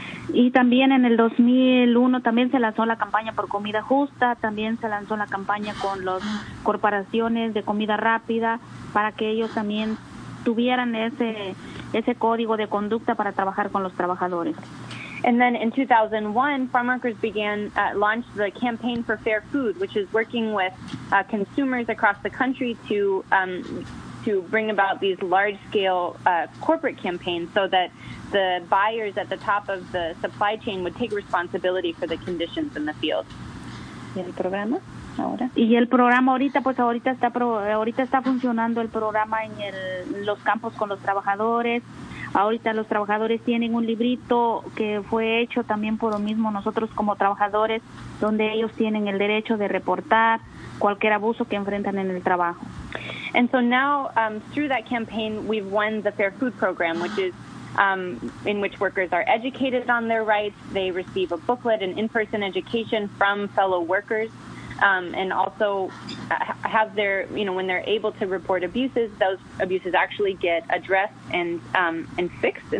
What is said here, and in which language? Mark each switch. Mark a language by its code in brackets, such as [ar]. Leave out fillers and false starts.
[es] Y también en el 2001 también se lanzó la campaña por comida justa, también se lanzó la campaña con las corporaciones de comida rápida para que ellos también tuvieran ese código de conducta para trabajar con los trabajadores. [en] And then in 2001, farm workers launched the Campaign for Fair Food, which is working with consumers across the country to bring about these large-scale corporate campaigns so that the buyers at the top of the supply chain would take responsibility for the conditions in the field. [es] ¿Y el programa ahora? Y el programa ahorita, pues ahorita está funcionando el programa en los campos con los trabajadores. Ahorita los trabajadores tienen un librito que fue hecho también por lo mismo nosotros como trabajadores, donde ellos tienen el derecho de reportar cualquier abuso que enfrentan en el trabajo. [en] And so now, through that campaign, we've won the Fair Food Program, which is in which workers are educated on their rights. They receive a booklet and in-person education from fellow workers. And also have their, you know, when they're able to report abuses, those abuses actually get addressed and fixed.